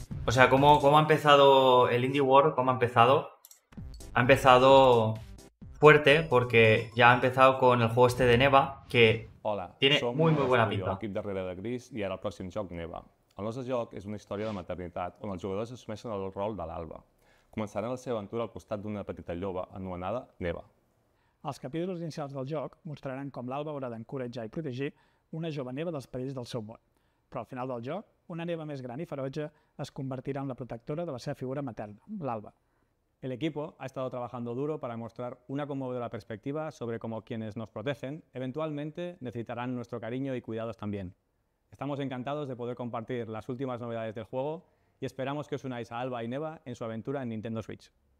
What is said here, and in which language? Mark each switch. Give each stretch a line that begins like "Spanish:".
Spanish: O sea, ¿cómo ha empezado el Indie World? ¿Cómo ha empezado? Ha empezado fuerte porque ya ha empezado con el juego este de Neva, que tiene muy muy buena pinta.
Catalan: L'equip darrere de Gris i ara el pròxim joc Neva. El nostre joc és una història de maternitat on els jugadors assumeixen el rol de l'Alba. Començaran la seva aventura al costat d'una petita lloba anomenada Neva. Els capítols inicials del joc mostraran com l'Alba haurà d'encoratjar i protegir una jove Neva dels perills del seu món. Però al final del joc, una Neva més gran i feroja es convertirà en la protectora de la seva figura materna, l'Alba.
Spanish: El equipo ha estado trabajando duro para mostrar una conmovedora perspectiva sobre cómo quienes nos protegen eventualmente necesitarán nuestro cariño y cuidados también. Estamos encantados de poder compartir las últimas novedades del juego y esperamos que os unáis a Alba y Neva en su aventura en Nintendo Switch.